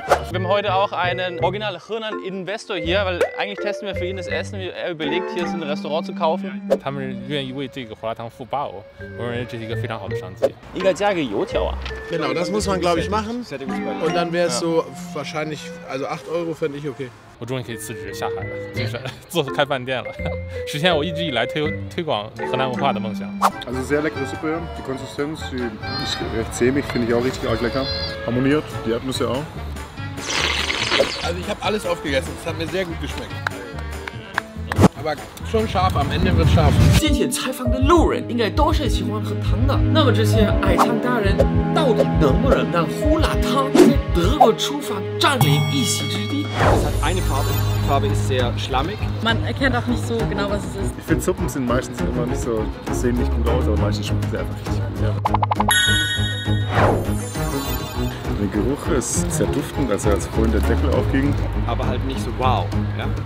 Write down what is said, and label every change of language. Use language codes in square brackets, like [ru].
[de] Wir haben heute auch einen original Hirnan Investor hier, weil eigentlich testen wir für ihn das Essen. Er überlegt, hier ein Restaurant zu kaufen. Sie wollen für diesen Hula-Tang bezahlen. Und das ist eine sehr gute Chance. Ich sage Jotiao. Genau, das muss man, glaube ich, machen. Und dann wäre es so wahrscheinlich, also 8 Euro fände ich okay. [zh] 我终于可以辞职下海了，就是做开饭店了，实现我一直以来推广河南文化的梦想。 [de] Also sehr leckere Suppe, die Konsistenz ist recht sämig, finde ich auch richtig arg lecker. Harmoniert, die Atmosphäre auch. Also ich habe alles aufgegessen, es hat mir sehr gut geschmeckt. Aber schon scharf, am Ende wird scharf. [zh] 今天采访的路人应该都是喜欢喝汤的，那么这些爱汤达人到底能不能让胡辣汤在德国厨房占领一席之地？ [de] Es hat eine Farbe. Die Farbe ist sehr schlammig. Man erkennt auch nicht so genau, was es ist. Ich finde, Suppen sind meistens immer nicht so, die sehen nicht gut aus, aber meistens schmecken sie einfach richtig gut. Ja. Der Geruch ist sehr duftend, als vorhin der Deckel aufging. Aber halt nicht so wow. Ja,